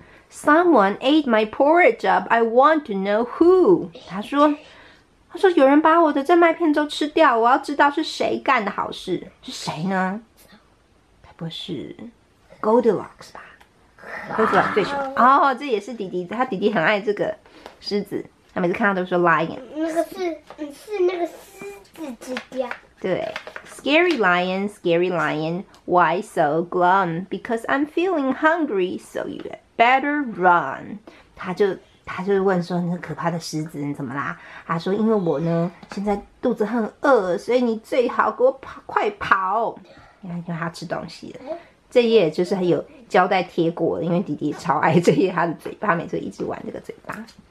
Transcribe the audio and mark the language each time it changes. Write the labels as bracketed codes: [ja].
[en] Someone ate my porridge up, I want to know who. [zh] 他说有人把我的这麦片粥吃掉，我要知道是谁干的好事。是谁呢？该不是 Goldilocks 吧？Goldilocks 最喜欢。哦，这也是弟弟，他弟弟很爱这个狮子，他每次看到都说 lion。那个是那个狮子之家。 [en] 对， scary lion, scary lion, why so glum? Because I'm feeling hungry, so you better run. [zh] 他就问说那可怕的狮子你怎么啦，他说因为我呢现在肚子很饿，所以你最好给我跑，快跑，因为他吃东西了。这页就是还有胶带贴过的，因为弟弟超爱这页，他的嘴巴每次一直玩这个嘴巴。